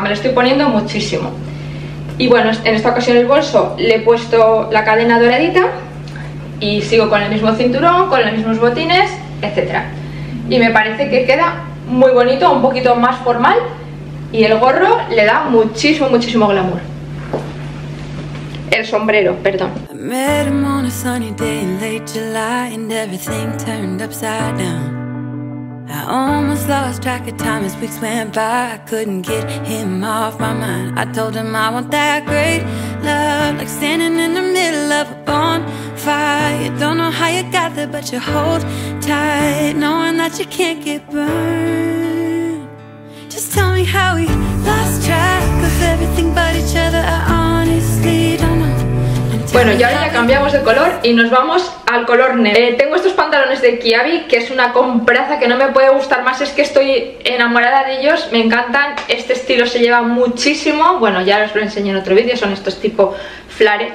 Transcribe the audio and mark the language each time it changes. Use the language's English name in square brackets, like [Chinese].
[Spanish] Me lo estoy poniendo muchísimo. Y bueno, en esta ocasión el bolso le he puesto la cadena doradita y sigo con el mismo cinturón, con los mismos botines, etcétera. Y me parece que queda muy bonito, un poquito más formal, y el gorro le da muchísimo glamour. El sombrero, perdón. [English] I met him on a sunny day in late July and everything turned upside down. I almost lost track of time as weeks went by. I couldn't get him off my mind. I told him I want that great love, like standing in the middle of a bonfire. Don't know how you got there, but you hold tight, knowing that you can't get burned. Just tell me how we lost track of everything but each other. I honestly don't know. [Spanish] Bueno, y ahora ya cambiamos de color y nos vamos al color negro. Tengo estos pantalones de Kiabi, que es una compraza que no me puede gustar más. Es que estoy enamorada de ellos, me encantan. Este estilo se lleva muchísimo. Bueno, ya os lo enseñé en otro vídeo, son estos tipo flare.